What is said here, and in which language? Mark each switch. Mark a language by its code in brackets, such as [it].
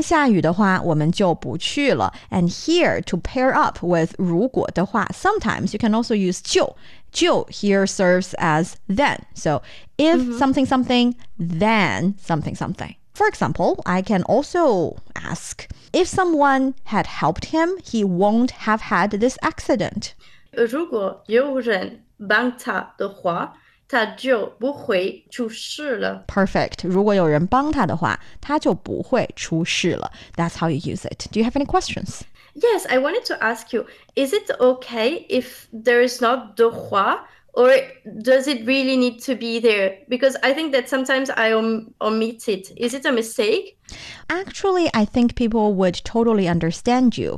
[zh] 如果明天下雨的话，我们就不去了. [en] And here to pair up with 如果的话, sometimes you can also use 就. 就 here serves as then. So if something something, then something something. For example, I can also ask, if someone had helped him, he won't have had this accident. [zh] 如果有人帮他的话，他就不会出事了. [en] Perfect. [zh] 如果有人帮他的话，他就不会出事了. [en] That's how you use it. Do you have any questions? Yes, I wanted to ask you, is it okay if there is not 的话? Or does it really need to be there? Because I think that sometimes I omit it. Is it a mistake? Actually, I think people would totally understand you.